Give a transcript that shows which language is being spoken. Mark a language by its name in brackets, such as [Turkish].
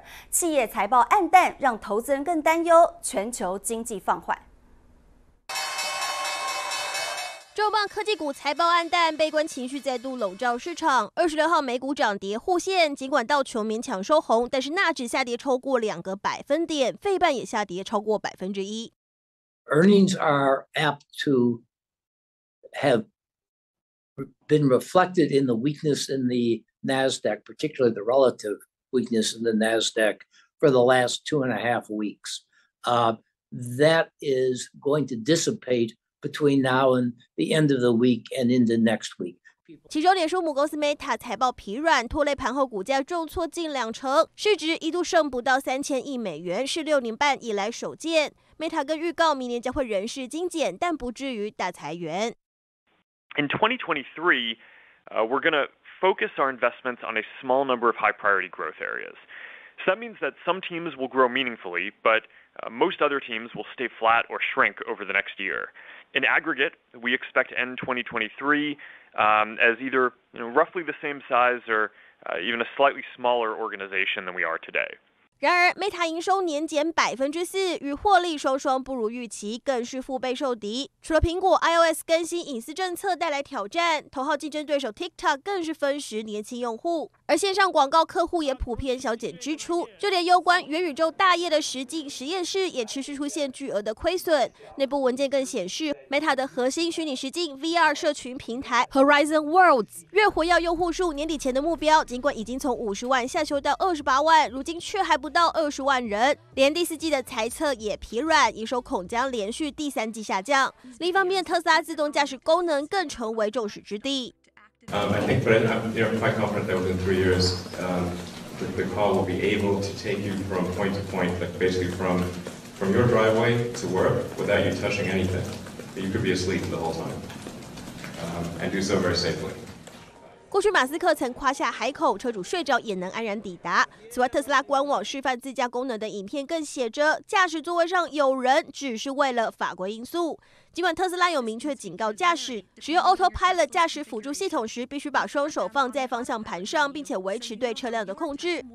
[Chinese] 企业财报暗淡，让投资人更担忧全球经济放缓。重磅科技股财报暗淡，悲观情绪再度笼罩市场。 26号美股涨跌互现，尽管道琼勉强收红，但是纳指下跌超过2%，费半也下跌超过1%。 [English] earnings are apt to have been reflected in the weakness in the NASDAQ, particularly the relative weakness in the NASDAQ for the last 2.5 weeks. That is going to dissipate between now and the end of the week and into next week. [Chinese] 其中，脸书母公司 Meta 财报疲软，拖累盘后股价重挫近两成，市值一度剩不到3000亿美元，是6年半以来首见。 Meta 更预告明年将会人事精简，但不至于大裁员。 [English] In 2023, we're going to focus our investments on a small number of high priority growth areas. So that means that some teams will grow meaningfully, but most other teams will stay flat or shrink over the next year. In aggregate, we expect to end 2023. As either you know, roughly the same size or even a slightly smaller organization than we are today. [Chinese] 然而 ，Meta 营收年减4%，与获利双双不如预期，更是腹背受敌。除了苹果 iOS 更新隐私政策带来挑战，头号竞争对手 TikTok 更是分食年轻用户，而线上广告客户也普遍削减支出。就连攸关元宇宙大业的实境实验室也持续出现巨额的亏损。内部文件更显示。Meta 的核心虚拟实境 VR 社群平台 Horizon Worlds 月活跃用户数年底前的目标，尽管已经从50万下修到28万，如今却还不到20万人。连第四季的财测也疲软，营收恐将连续第三季下降。另一方面，特斯拉自动驾驶功能更成为众矢之的。 [English] I think, but I'm quite confident that within 3 years, the car will be able to take you from point to point, like basically from your driveway to work without you touching anything. You could be asleep the whole time, and do so very safely. [Chinese] 过去马斯克曾夸下海口，车主睡着也能安然抵达。此外，特斯拉官网示范自驾功能的影片更写着，驾驶座位上有人只是为了法规因素。尽管特斯拉有明确警告驾驶，使用 Autopilot 驾驶辅助系统时，必须把双手放在方向盘上，并且维持对车辆的控制。